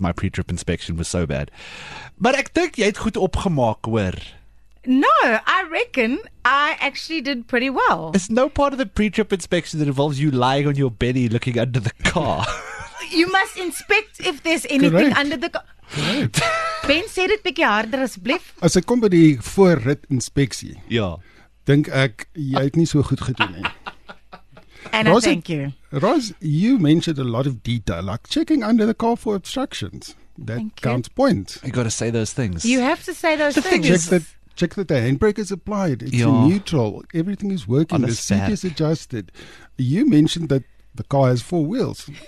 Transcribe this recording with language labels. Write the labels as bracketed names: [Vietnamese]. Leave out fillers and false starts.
[English] My pre-trip inspection was so bad. But I think you had [Afrikaans] goed opgemaak, hoor. [English] No, I reckon I actually did pretty well. It's no part of the pre-trip inspection that involves you lying on your belly looking under the car. You must inspect if there's anything under the car. [Afrikaans] Ben, sê dit bietjie harder asseblief. As ek kom by die voorrit inspeksie, ja, dink ek jy het nie so goed gedoen nie. [English] And Roz, thank you. Roz, you mentioned a lot of detail, like checking under the car for obstructions. That counts points. You got to say those things. You have to say those things. Check that the handbrake is applied. It's in neutral. Everything is working. The seat is adjusted. You mentioned that the car has four wheels.